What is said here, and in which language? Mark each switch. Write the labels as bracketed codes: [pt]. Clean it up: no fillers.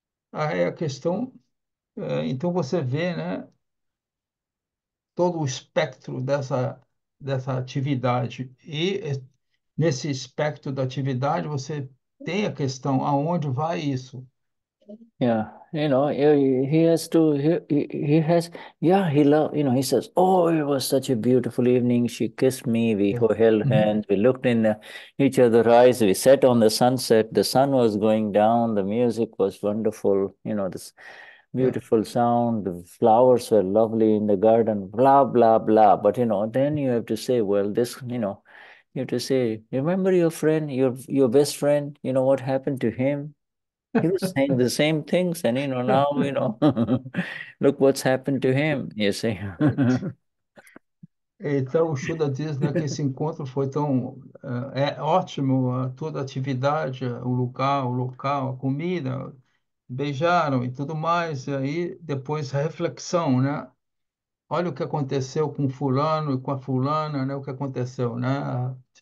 [pt] Aí a questão, então você vê, né? Todo o espectro dessa atividade. E nesse espectro da atividade, você tem a questão: aonde vai isso? [en] Yeah, you know, he has to, he has, yeah, he love, you know, he says, "Oh, it was such a beautiful evening. She kissed me. We held hands. We looked in each other's eyes. We sat on the sunset. The sun was going down. The music was wonderful. You know, this beautiful sound. The flowers were lovely in the garden. Blah, blah, blah." But, you know, then you have to say, well, this, you know, you have to say, remember your friend, your best friend, you know, what happened to him? He was saying the same things, and you know, now you know, look what's happened to him, you see. [pt] Então, o Shuddha diz, né, que esse encontro foi tão ótimo, toda a atividade, o local, a comida, beijaram e tudo mais, e aí depois a reflexão, né? Olha o que aconteceu com fulano e com a fulana, né? O que aconteceu, né?